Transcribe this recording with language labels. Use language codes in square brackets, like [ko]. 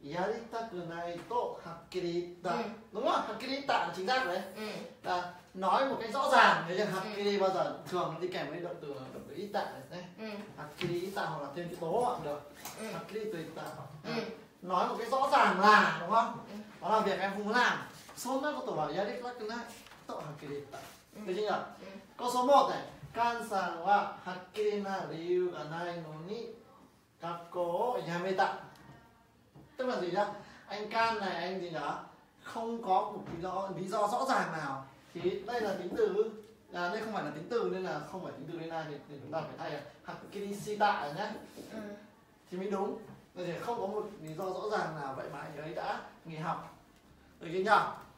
[ja] やりたくないとはっきり言った [vi] đúng không? [ja] はっきり言った [vi] là chính xác đấy. Là nói một cái rõ ràng. Thế nhưng [ja] はっきり [vi] bao giờ thường đi kèm với động từ [ja] いった [vi] đấy. [ja] はっきり言った [vi] hoặc là thêm chữ tố hoặc được. はっきり言った nói một cái rõ ràng là đúng không? Đó là việc em không muốn làm. [ja] そんなことはやりたくないとはっきり言った [vi] được chưa nhỉ? Câu số 1 này. [ja] カンさんははっきりな理由がないのに学校を辞めた. [vi] Tức là gì nhá, anh Can này anh gì nhá, không có một lý do rõ ràng nào thì đây là tính từ, à, đây không phải là tính từ nên là không phải tính từ nên là thì chúng ta phải thay là [ja] hakiri shita [vi] nhá. Ừ. Thì mới đúng, là gì không có một lý do rõ ràng nào vậy mà anh ấy đã nghỉ học, được chưa nhở?